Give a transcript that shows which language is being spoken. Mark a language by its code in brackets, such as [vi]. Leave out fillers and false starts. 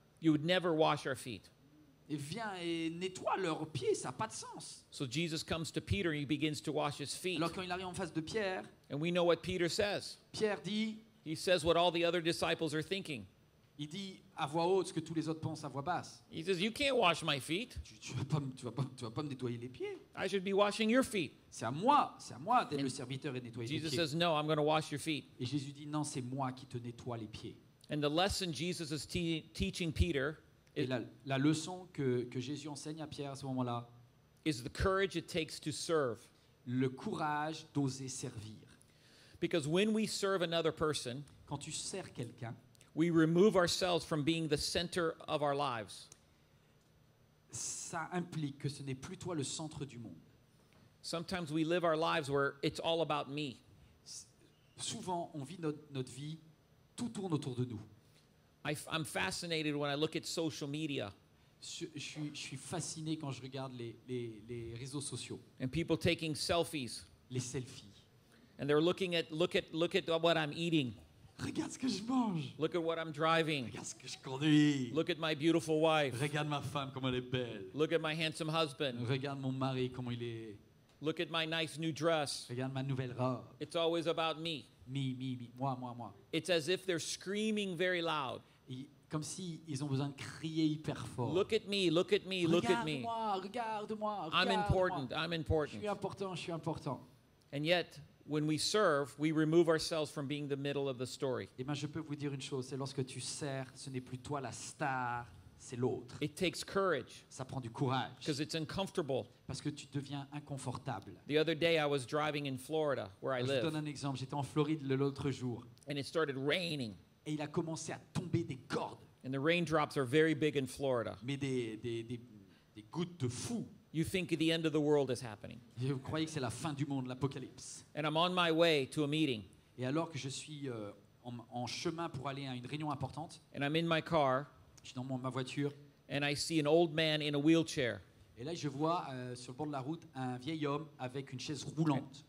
[en] you would never wash our feet. [fr] Et viens et nettoie leurs pieds, ça n'a pas de sens. [en] So Jesus comes to Peter, he begins to wash his feet. [fr] Alors quand il arrive en face de Pierre, [en] and we know what Peter says. [fr] Pierre dit, [en] he says what all the other disciples are thinking. [fr] Il dit à voix haute ce que tous les autres pensent à voix basse. [en] He says, you can't wash my feet. [fr] Tu vas pas me nettoyer les pieds. [en] I should be washing your feet. [fr] C'est à moi d'être le serviteur et nettoyer [en] Jesus [fr] les pieds. [en] Jesus says, no, I'm going to wash your feet. [fr] Et Jésus dit, non, c'est moi qui te nettoie les pieds. [en] And the lesson Jesus is teaching Peter. [fr] Et la leçon que Jésus enseigne à Pierre à ce moment-là. [en] Is the courage it takes to serve. [fr] Le courage d'oser servir. [en] Because when we serve another person. [fr] Quand tu sers quelqu'un. [en] We remove ourselves from being the center of our lives. [fr] Ça implique que ce n'est plus toi le centre du monde. [en] Sometimes we live our lives where it's all about me. [fr] Souvent, on vit notre vie, tout tourne autour de nous. [en] I'm fascinated when I look at social media. [fr] Je suis fasciné quand je regarde les réseaux sociaux. [en] And people taking selfies. [fr] Les selfies. [en] And they're looking at look at what I'm eating. [fr] Regarde ce que je mange. [en] Look at what I'm driving. [fr] Regarde ce que je conduis. [en] Look at my beautiful wife. [fr] Regarde ma femme comment elle est belle. [en] Look at my handsome husband. [fr] Regarde mon mari comment il est. [en] Look at my nice new dress. [fr] Regarde ma nouvelle robe. [en] It's always about me. [fr] Me, moi. [en] It's as if they're screaming very loud. [fr] Comme si ils ont besoin de crier hyper fort. [en] Look at me, [fr] regarde [en] look at me. [fr] Regarde-moi. [en] I'm important. [fr] Je suis important. [en] And yet when we serve, we remove ourselves from being the middle of the story. [fr] Et ben je peux vous dire une chose, c'est lorsque tu sers, ce n'est plus toi la star, c'est l'autre. [en] It takes courage. [fr] Ça prend du courage. [en] Because it's uncomfortable. [fr] Parce que tu deviens inconfortable. [en] The other day I was driving in Florida, where I live. [fr] Je donne un exemple, j'étais en Floride l'autre jour. [en] And it started raining. [fr] Et il a commencé à tomber des cordes. [en] And the raindrops are very big in Florida. [fr] Mais des gouttes de fou. [en] You think the end of the world is happening. [fr] Vous croyez que c'est la fin du monde, l'apocalypse. [en] And I'm on my way to a meeting. [fr] Et alors que je suis en chemin pour aller à une réunion importante. [en] And I'm in my car. [fr] Je suis dans ma voiture. [en] And I see an old man in a wheelchair. [fr] Et là je vois sur le bord de la route un vieil homme avec une chaise roulante.